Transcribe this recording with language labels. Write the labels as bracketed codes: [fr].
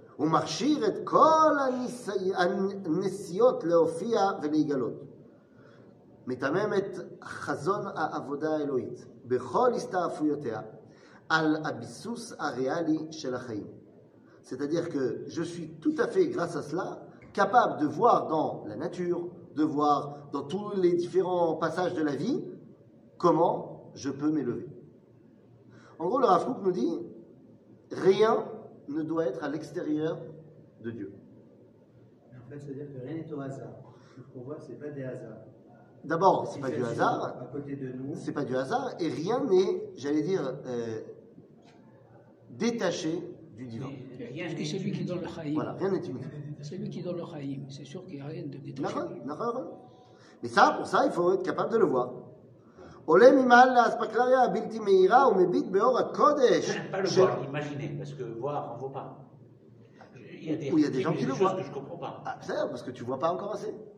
[he] הוא מכשיר את כל הנסיעות להופיע ולהיגלות. מתמם את חזון העבודה האלוהית בכל הסתעפויותיה על הביסוס הריאלי של החיים. [fr] C'est-à-dire que je suis tout à fait, grâce à cela, capable de voir dans la nature, de voir dans tous les différents passages de la vie, comment je peux m'élever. En gros, le Rav Kook nous dit, rien ne doit être à l'extérieur de Dieu. Mais fait, c'est-à-dire que rien n'est au hasard. Ce qu'on voit, ce n'est pas des hasards. D'abord, ce n'est pas du hasard. À côté de nous. Ce n'est pas du hasard. Et rien n'est, j'allais dire, détaché du divin. Parce que celui qui est dans le chaïm. Voilà, rien n'est inutile. Celui qui est dans le chaïm, c'est sûr qu'il n'y a rien de détaché. N'a rien. Mais ça, pour ça, il faut être capable de le voir. [he] עולה ממעלה אספקלריה בלתי מהירה ומביט באור הקודש. [fr] Pas le voir, imaginez, parce que voir en vaut pas. Il y a des gens qui le voient. Je comprends pas. Ah, c'est vrai, parce que tu vois pas encore assez.